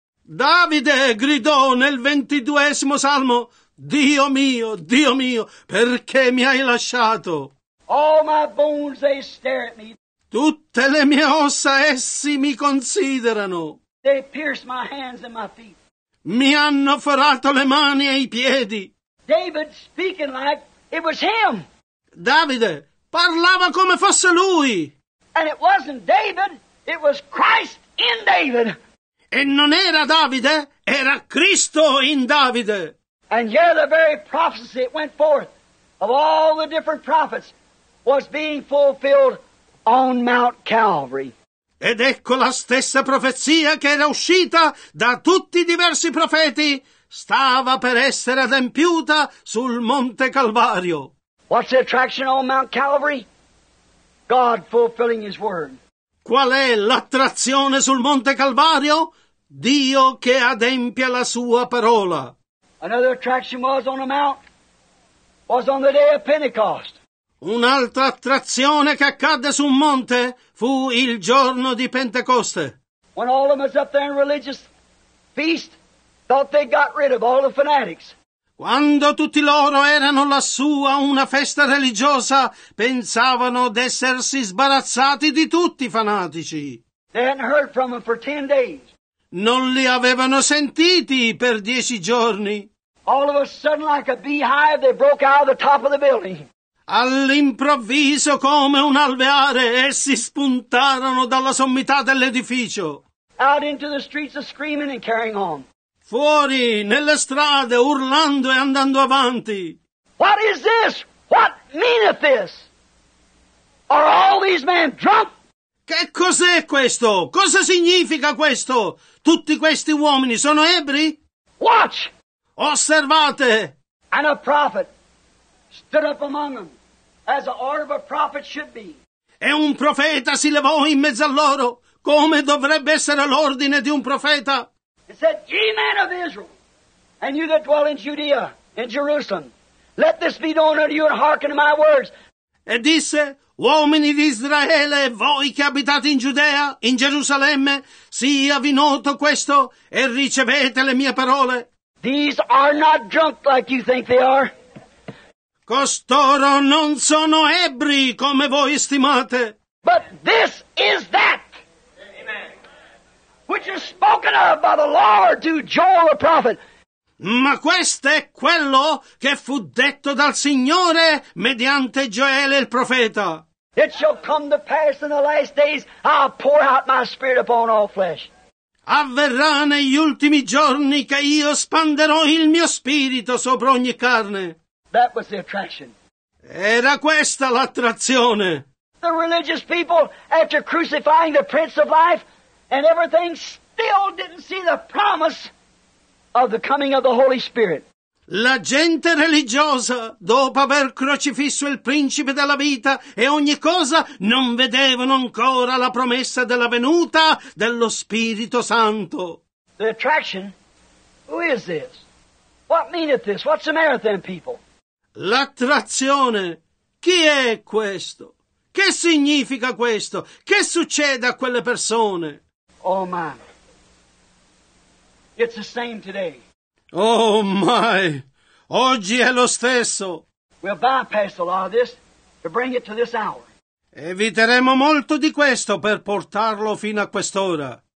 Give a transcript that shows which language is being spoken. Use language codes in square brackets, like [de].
[it] Davide gridò nel 22esimo Salmo, Dio mio, perché mi hai lasciato? [en] All my bones, they stare at me. [it] Tutte le mie ossa, essi mi considerano. [en] They pierce my hands and my feet. [it] Mi hanno forato le mani e i piedi. [en] David speaking like it was him. [it] Davide parlava come fosse lui. [en] And it wasn't David, it was Christ in David. [it] E non era Davide, era Cristo in Davide. [en] And yet the very prophecy that went forth of all the different prophets was being fulfilled on Mount Calvary. [it] Ed ecco la stessa profezia che era uscita da tutti i diversi profeti stava per essere adempiuta sul Monte Calvario. [en] What's the attraction on Mount Calvary? God fulfilling His word. [it] Qual è l'attrazione sul Monte Calvario? Dio che adempia la sua parola. [en] Another attraction was on the mount, was on the day of Pentecost. [it] Un'altra attrazione che accadde su un monte fu il giorno di Pentecoste. [en] When all of them was up there in religious feast, thought they got rid of all the fanatics. [it] Quando tutti loro erano lassù a una festa religiosa, pensavano d'essersi sbarazzati di tutti i fanatici. [en] They hadn't heard from them for 10 days. [it] Non li avevano sentiti per 10 giorni. [en] All of a sudden, like a beehive, they broke out of the top of the building. [it] All'improvviso, come un alveare, essi spuntarono dalla sommità dell'edificio. [en] Out into the streets of screaming and carrying on. [it] Fuori, nelle strade, urlando e andando avanti. [en] What is this? What meaneth this? Are all these men drunk? [it] Che cos'è questo? Cosa significa questo? Tutti questi uomini sono ebri? [en] Watch! [it] Osservate! [en] And a prophet stood up among them, as the order of a prophet should be. [it] E un profeta si levò in mezzo a loro, come dovrebbe essere l'ordine di un profeta. [en] He said, ye men of Israel, and you that dwell in Judea, in Jerusalem, let this be known unto you and hearken to my words. [it] E disse, uomini di Israele, voi che abitate in Giudea, in Gerusalemme, siavi noto questo e ricevete le mie parole. [en] These are not drunk like you think they are. [it] Costoro non sono ebri come voi stimate. [en] But this is that. Amen. Which is spoken of by the Lord to Joel the prophet. [it] Ma questo è quello che fu detto dal Signore mediante Gioele il profeta. [en] It shall come to pass in the last days I'll pour out my spirit upon all flesh. [it] Avverrà negli ultimi giorni che io spanderò il mio spirito sopra ogni carne. [en] That was the attraction. [it] Era questa l'attrazione. [en] The religious people, after crucifying the Prince of Life and everything, still didn't see the promise of the coming of the Holy Spirit. [it] La gente religiosa, dopo aver crocifisso il Principe della Vita e ogni cosa, non vedevano ancora la promessa della venuta dello Spirito Santo. [en] The attraction? Who is this? What meaneth this? What's the matter with them people? [it] L'attrazione. Chi è questo? Che significa questo? Che succede a quelle persone? [en] Oh my. It's the same today. Oh my. [it] Oggi è lo stesso. [en] We'll bypass a lot of this to bring it to this hour. [it] Eviteremo molto di questo per portarlo fino a quest'ora.